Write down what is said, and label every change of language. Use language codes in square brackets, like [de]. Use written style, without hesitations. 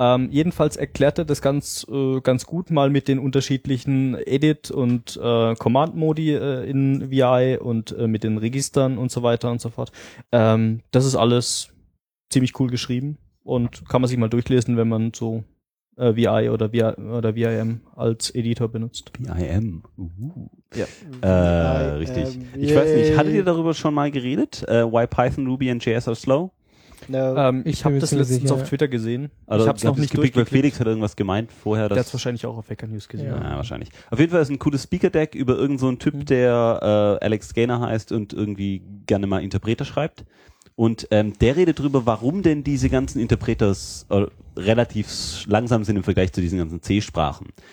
[de] Jedenfalls erklärt er das ganz ganz gut mal mit den unterschiedlichen Edit und Command Modi in VI und mit den Registern und so weiter und so fort. Das ist alles ziemlich cool geschrieben und kann man sich mal durchlesen, wenn man so VI oder VIM als Editor benutzt. VIM. Ja. Richtig. Yay. Ich weiß nicht, hattet ihr darüber schon mal geredet? [en] Why Python, Ruby and JS are slow? No. [de] Ich habe das letztens auf Twitter gesehen. Also, ich hab's noch nicht durchgeklickt. Felix hat irgendwas gemeint vorher. Der hat's wahrscheinlich auch auf Hacker News gesehen. Ja, wahrscheinlich. Auf jeden Fall ist ein cooles Speaker-Deck über irgendeinen so Typ, der Alex Gaynor heißt und irgendwie gerne mal Interpreter schreibt. Und der redet drüber, warum denn diese ganzen Interpreters relativ langsam sind im Vergleich zu diesen ganzen C-Sprachen.